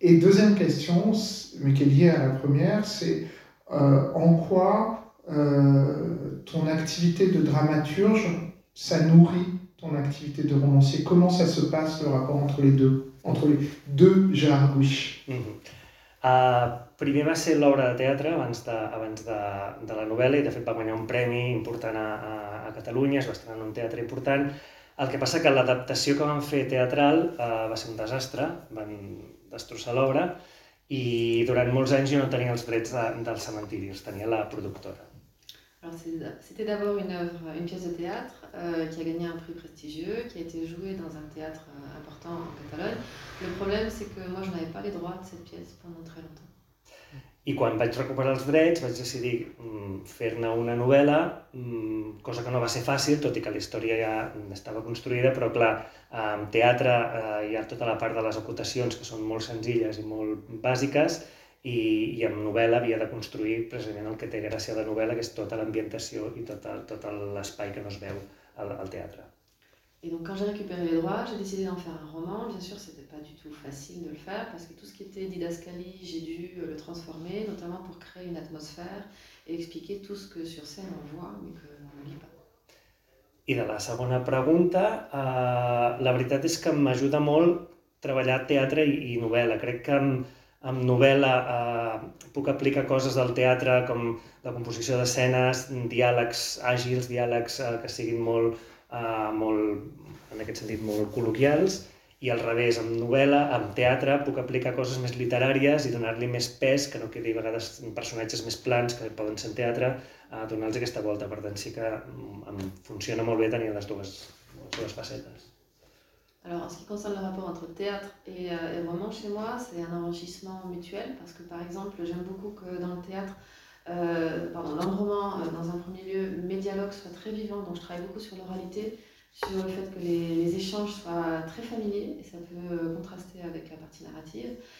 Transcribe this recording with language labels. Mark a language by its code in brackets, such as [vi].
[fr] Et deuxième question, mais qui est liée à la première, c'est en quoi ton activité de dramaturge, ça nourrit ton activité de romancier ? Comment ça se passe, le rapport entre les deux ? Entre les deux Gérard Bouch. Mm-hmm. [ca] Primer va ser l'obra de teatre abans de la novel·la i de fet va guanyar un premi important a Catalunya, es va estrenar en un teatre important. El que passa que l'adaptació que van fer teatral va ser un desastre, van destrossar l'obra i durant molts anys jo no tenia els drets del cementiri, els tenia la productora. [fr] Alors c'était d'abord une œuvre, une pièce de théâtre qui a gagné un prix prestigieux, qui a été jouée dans un théâtre important en Catalogne. Le problème, c'est que moi, je n'avais pas les droits de cette pièce pendant très longtemps. [ca] I quan vaig recuperar els drets, vaig decidir fer-ne una novel·la, cosa que no va ser fàcil, tot i que la història ja estava construïda, però clar, en teatre hi ha tota la part de les acotacions que són molt senzilles i molt bàsiques, i amb novel·la havia de construir precisament el que té gràcia de novel·la, que és tota l'ambientació i tot l'espai que no es veu al teatre. [fr] Et donc quand j'ai récupéré les droits, j'ai décidé d'en faire un roman. Bien sûr, c'était pas du tout facile de le faire, parce que tout ce qui était didascalie, j'ai dû le transformer, notamment pour créer une atmosphère et expliquer tout ce que sur scène on voit, mais que on ne lit pas. [ca] I de la segona pregunta, la veritat és que m'ajuda molt treballar teatre i novel·la. Crec que amb novel·la puc aplicar coses del teatre com la composició d'escenes, diàlegs àgils, diàlegs que siguin molt, molt, en aquest sentit, molt col·loquials, i al revés, amb novel·la, amb teatre, puc aplicar coses més literàries i donar-li més pes, que no quedi a vegades personatges més plans que poden ser en teatre, donar-los aquesta volta. Per tant, sí que em funciona molt bé tenir les dues facetes. [fr] Alors, en ce qui concerne le rapport entre théâtre et roman chez moi, c'est un enrichissement mutuel parce que, par exemple, j'aime beaucoup que dans le théâtre, dans le roman, dans un premier lieu, mes dialogues soient très vivants. Donc, je travaille beaucoup sur l'oralité, sur le fait que les échanges soient très familiers et ça peut contraster avec la partie narrative.